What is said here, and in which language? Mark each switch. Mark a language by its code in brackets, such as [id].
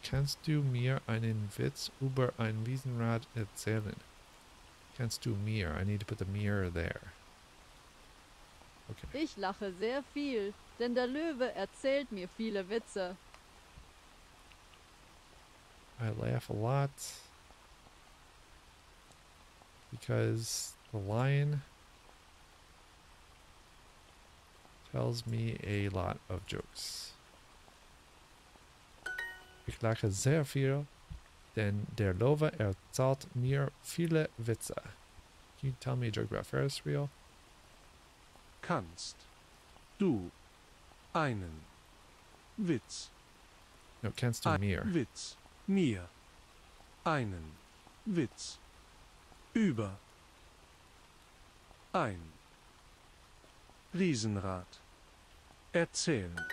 [de] Kannst du mir einen Witz über ein Riesenrad erzählen? Kannst du mir? [en] I need to put the mirror there. Okay. [de] Ich lache sehr viel, denn der Löwe erzählt mir viele Witze. [en] I laugh a lot because the lion tells me a lot of jokes. [de] Ich lache sehr viel, denn der Löwe erzählt mir viele Witze. [en] Can you tell me a joke about Ferris wheel? [de] Kannst du einen Witz? No, kannst du mir? Witz. Mir einen Witz über ein Riesenrad erzählen.